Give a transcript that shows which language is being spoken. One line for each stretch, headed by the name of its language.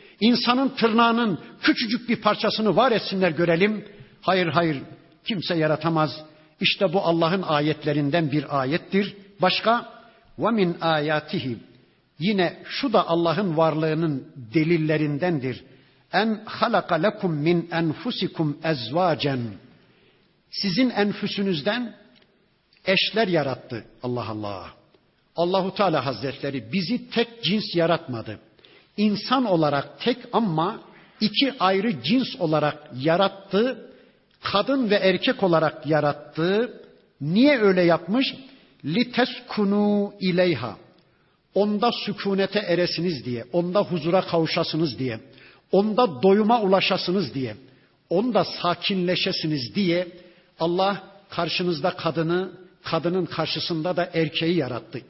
Turkish: İnsanın tırnağının küçücük bir parçasını var etsinler görelim. Hayır hayır, kimse yaratamaz. İşte bu Allah'ın ayetlerinden bir ayettir. Başka?
Arabic: وَمِنْ آيَاتِهِ
Turkish: Yine şu da Allah'ın varlığının delillerindendir.
Arabic: اَنْ خَلَقَ لَكُمْ مِنْ اَنْفُسِكُمْ اَزْوَاجًا
Turkish: Sizin enfüsünüzden eşler yarattı. Allah Allah. Allahu Teala Hazretleri bizi tek cins yaratmadı. İnsan olarak tek ama iki ayrı cins olarak yarattı. Kadın ve erkek olarak yarattı. Niye öyle yapmış?
Arabic: Liteskunu ileyha.
Turkish: Onda sükunete eresiniz diye, onda huzura kavuşasınız diye, onda doyuma ulaşasınız diye, onda sakinleşesiniz diye Allah karşınızda kadını, kadının karşısında da erkeği yarattı.